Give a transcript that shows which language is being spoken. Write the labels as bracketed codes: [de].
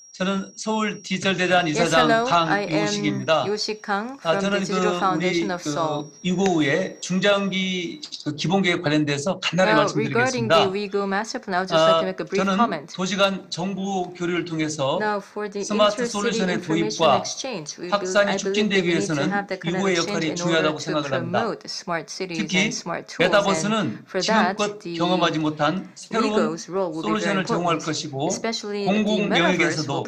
[ko] 저는 서울 디지털 대단 이사장 강요식입니다. [en] Yes, hello. I am Yoshik Kang from [ko] 저는 [en] Digital Foundation of Seoul. [ko] 2025의 중장기 기본 계획 관련돼서 간단히 말씀드리겠습니다. [en] Regarding the WeGO Master Plan, I would just like to make a brief comment. [ko] 저는 도시 간 정부 교류를 통해서 스마트 솔루션의 도입과 확산이 촉진되기 위해서는 WeGO의 역할이 중요하다고 생각을 합니다. 특히 메타버스는 지금껏 경험하지 못한 새로운 솔루션을 제공할 것이고 공공 영역에서도